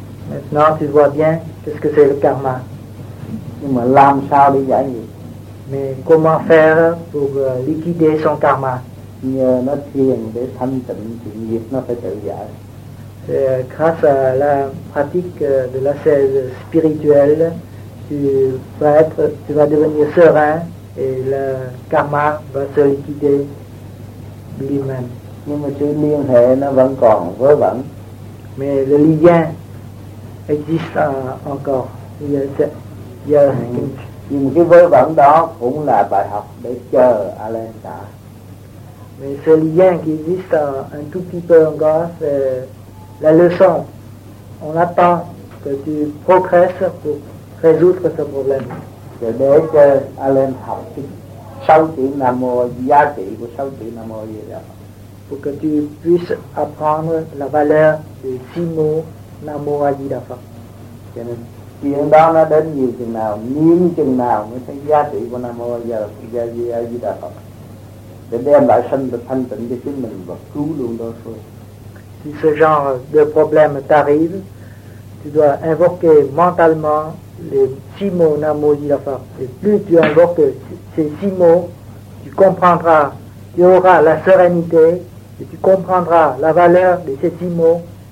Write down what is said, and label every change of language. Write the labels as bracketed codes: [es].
[fr] Maintenant tu vois bien qu'est-ce que c'est le karma. [vi] Nhưng mà làm sao để giải gì? [fr] Mais comment faire pour liquider son karma? [vi] Nhờ nó thiền để thanh tịnh thì nghiệp nó phải tự giải. [fr] C'est grâce à la pratique de l'ascèse spirituelle tu vas devenir serein et le karma va se liquider lui-même. [vi] Nhưng mà sự liên hệ nó vẫn còn vớ vẩn. [fr] Mais le lien existe encore. [vi] Nhưng mà cái vớ vẩn đó cũng là bài học để chờ Alain trả. [fr] Mais ce lien qui existe un tout petit peu encore, c'est la leçon. On attend que tu progresses pour résoudre ce problème. [vi] Để cho Alain học cái sâu chữ Nam Mô, giá trị của sâu chữ Nam Mô gì đó. [fr] Pour que tu puisses apprendre la valeur des six mots Namo Ajita Pha. [vi] Chuyện đó nó đến nhiều chừng nào, nhiều chừng nào mới thấy giá trị của Namo Ajita Pha. Để đem lại sanh được thanh tịnh cho chính mình và cứu luôn đôi phương. [fr] Si ce genre de problème t'arrive, tu dois invoquer mentalement les six mots Namo Ajita Pha. Et plus tu invoques ces six mots, tu comprendras. Tu auras la sérénité et tu comprendras la valeur de ces six mots.